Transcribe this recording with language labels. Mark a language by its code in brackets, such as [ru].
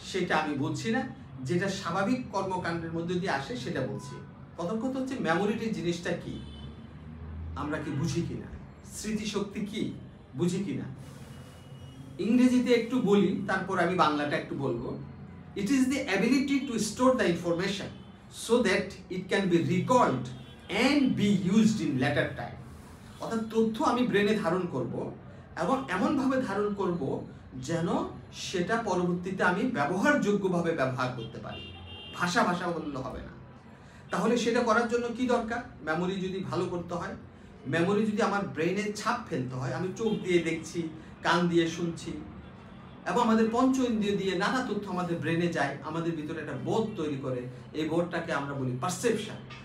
[bn] সেটা আমি বলছি না, যেটা স্বাভাবিক কর্মকাণ্ডের মধ্যে দিয়ে আসে সেটা বলছি। প্রথম কথা হচ্ছে মেমোরিটির জিনিসটা কী, আমরা কি বুঝি কি না, স্মৃতিশক্তি কি বুঝি কি না। ইংরেজিতে একটু বলি, তারপর আমি বাংলাটা একটু বলবো। [en] It is the ability to store the information so that it can be recalled and be used in later time. [bn] অর্থাৎ তথ্য আমি ব্রেনে ধারণ করব এবং এমনভাবে ধারণ করব যেন সেটা পরবর্তীতে আমি ব্যবহারযোগ্যভাবে ব্যবহার করতে পারি। ভাষা ভাষা বললে হবে না। তাহলে সেটা করার জন্য কী দরকার? মেমোরি যদি ভালো করতে হয়, মেমোরি যদি আমার ব্রেনে ছাপ ফেলতে হয়, আমি চোখ দিয়ে দেখছি, কান দিয়ে শুনছি এবং আমাদের পঞ্চ ইন্দ্রিয় দিয়ে নানা তথ্য আমাদের ব্রেনে যায়, আমাদের ভিতরে একটা বোধ তৈরি করে, এই বোধটাকে আমরা বলি পারসেপশন।